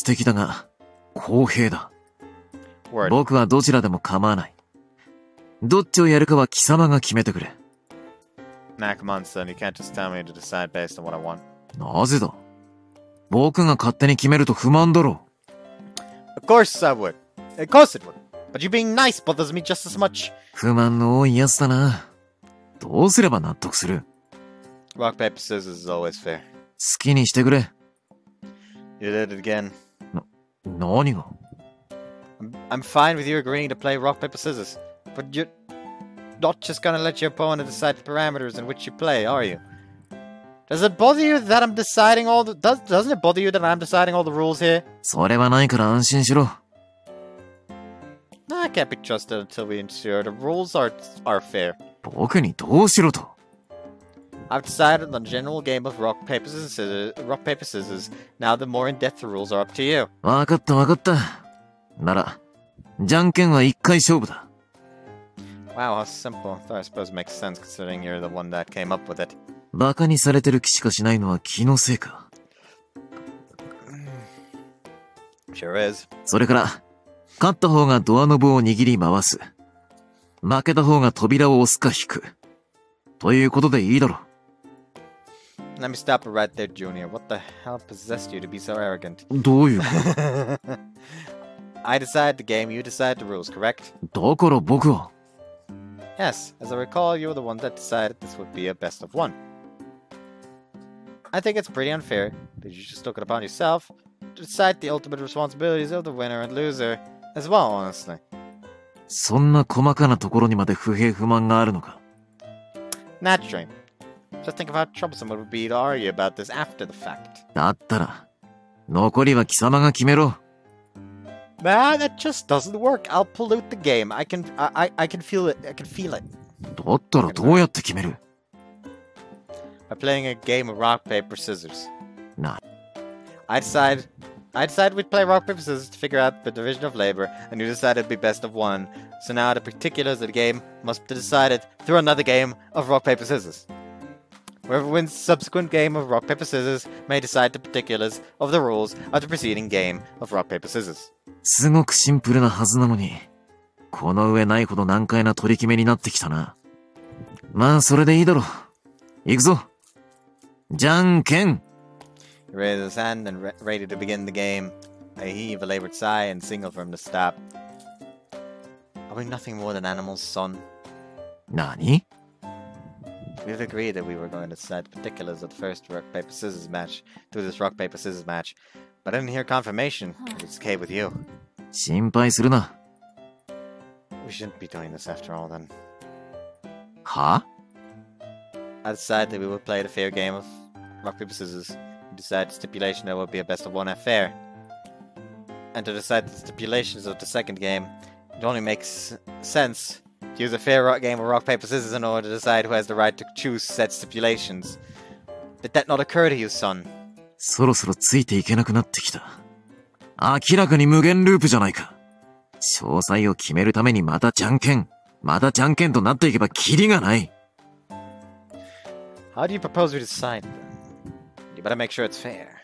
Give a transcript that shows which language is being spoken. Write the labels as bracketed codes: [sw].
[ja] 実に非効率的だが、公平だ。 [en] Word. [ja] 僕はどちらでも構わない。どっちをやるかは貴様が決めてくれ。 [en] Nah, come on, son. You can't just tell me to decide based on what I want. [ja] なぜだ? 僕が勝手に決めると不満だろう。 [en] Of course I would. Of course it would. But you being nice bothers me just as much. [ja] 不満の多いやつだな。どうすれば納得する? [en] Rock, paper, scissors is always fair. [ja] 好きにしてくれ。 [en] You did it again. [ja] 何が? [en] I'm fine with you agreeing to play rock, paper, scissors. But you're not just gonna let your opponent decide the parameters in which you play, are you? Doesn't it bother you that I'm deciding all the rules here? [ja] それはないから安心しろ。 [en] I can't be trusted until we ensure the rules are fair. [ja] 僕にどうしろと? [en] I've decided on the general game of rock, paper, scissors. Now the more in-depth rules are up to you. [ja] 分かった。なら、じゃんけんは一回勝負だ。 [en] Wow, how simple. I suppose it makes sense considering you're the one that came up with it. [ja] バカにされてる気しかしないのは気のせいか。 [en] Sure is. [ja] それから、 勝った方がドアノブを握り回す。負けた方が扉を押すか引く。ということでいいだろ。 [en] Let me stop right there, Junior. What the hell possessed you to be so arrogant? [ja] どういうこと? [en] I decide the game, you decide the rules, correct? [ja] だから僕は? [en] Yes, as I recall, you were the one that decided this would be a best of one. I think it's pretty unfair that you just took it upon yourself to decide the ultimate responsibilities of the winner and loser. As well, honestly. [ja] そんな細かなところにまで不平不満があるのか? [en] Naturally. Just think of how troublesome it would be to argue about this after the fact. [ja] だったら、残りは貴様が決めろ。 [en] Nah, that just doesn't work. I'll pollute the game. I can feel it. [ja] だったらどうやって決める? [en] By playing a game of rock, paper, scissors. Nah. I decided we'd play rock, paper, scissors to figure out the division of labor, and you decided it'd be best of one. So now the particulars of the game must be decided through another game of rock, paper, scissors. Whoever wins the subsequent game of rock, paper, scissors may decide the particulars of the rules of the preceding game of rock, paper, scissors. [ja] すごくシンプルなはずなのに、この上ないほど難解な取り決めになってきたな。まあ、それでいいだろう。行くぞ。じゃんけん! [en] He raised his hand and ready to begin the game. I heave a labored sigh and signal for him to stop. Are we nothing more than animals, son? [ja] 何? [en] We've agreed that we were going to set particulars of the first rock-paper-scissors match through this rock-paper-scissors match, But I didn't hear confirmation that it's okay with you. [ja] 心配するな。 [en] We shouldn't be doing this after all, then. Huh? I decided that we would play the fair game of rock, paper, scissors. We decided stipulation that it would be a best of one affair. And to decide the stipulations of the second game, it only makes sense to use a fair rock game of rock, paper, scissors in order to decide who has the right to choose said stipulations. Did that not occur to you, son? [ja] そろそろついていけなくなってきた。明らかに無限ループじゃないか。詳細を決めるためにまたじゃんけん、またじゃんけんとなっていけばキリがない。 [en] How do you propose we decide, then? You better make sure it's fair.